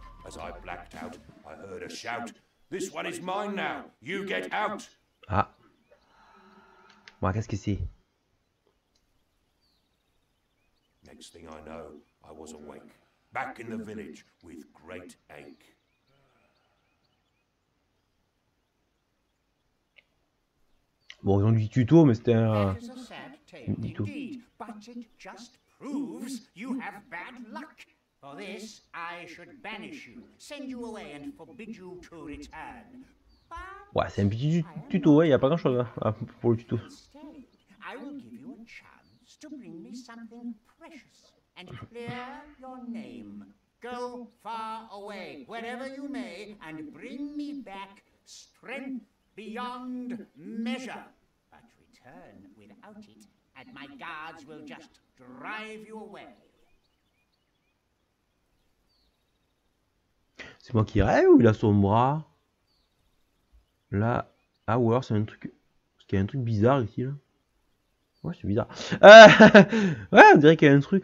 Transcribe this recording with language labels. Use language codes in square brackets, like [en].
[en] As I blacked out, I heard a shout. This one is mine now, you get out! [fr] Ah. Bon, qu'est-ce que c'est? [en] Next thing I know, I was awake, back in the village with great ache. [fr] Bon, ils ont dit tuto, mais c'était un... Dito. [en] But it just proves you have bad luck. For this, I should banish you, send you away and forbid you to return. [fr] Ouais, c'est un petit tuto, ouais, il n'y a pas grand-chose pour le tuto. [en] I will give you a chance to bring me something precious and clear your name. Go far away, wherever you may, and bring me back strength beyond measure. But return without it, and my guards will just drive you away. [fr] C'est moi qui rêve ou il a son bras? Là. Ah, ou alors c'est un truc. Parce qu'il y a un truc bizarre ici, là. Ouais, c'est bizarre. Ouais, on dirait qu'il y a un truc.